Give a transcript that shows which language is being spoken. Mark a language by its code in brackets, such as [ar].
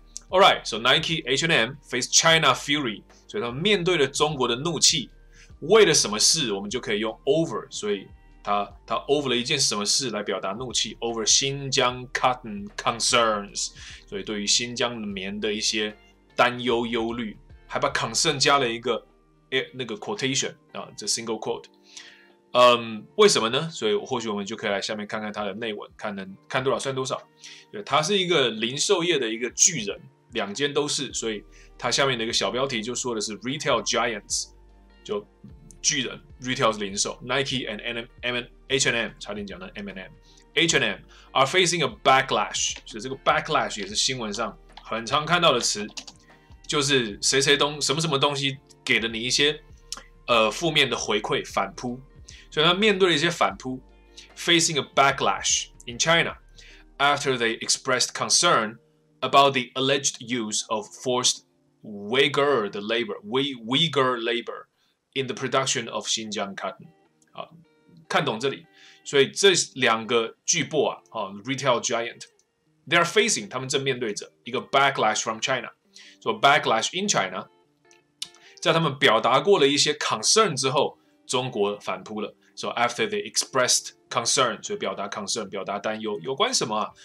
[en] All right, so Nike H&M face China fury， [zh] 所以他们面对了中国的怒气，为了什么事，我们就可以用 over， 所以他 over 了一件什么事来表达怒气 ，over 新疆 cotton concerns， 所以对于新疆棉的一些担忧忧虑，还把 concern 加了一个那个 quotation 啊，这 single quote。为什么呢？所以或许我们就可以来下面看看它的内文，看多少算多少。对，它是一个零售业的一个巨人，两间都是，所以它下面的一个小标题就说的是 retail giants， 就巨人 retail 是零售 ，Nike and H&M 差点讲的 M&M。 [en] H&M are facing a backlash， [zh] 所以这个 backlash 也是新闻上很常看到的词，就是谁谁东什么什么东西给了你一些负面的回馈反扑，所以他面对了一些反扑 ， [en] facing a backlash in China after they expressed concern about the alleged use of forced Uyghur labor in the production of Xinjiang cotton。 [zh] 好，看懂这里。所以这两个巨擘啊，哦 ，retail giant， [en] they are facing， [zh] 他们正面对着一个 [en] backlash from China， [zh] 说 [en] backlash in China， [zh] 在他们表达过了一些 concern 之后，中国反扑了。 [en] So after they expressed concern， [zh] 所以表达 concern， 表达担忧，有关什么啊？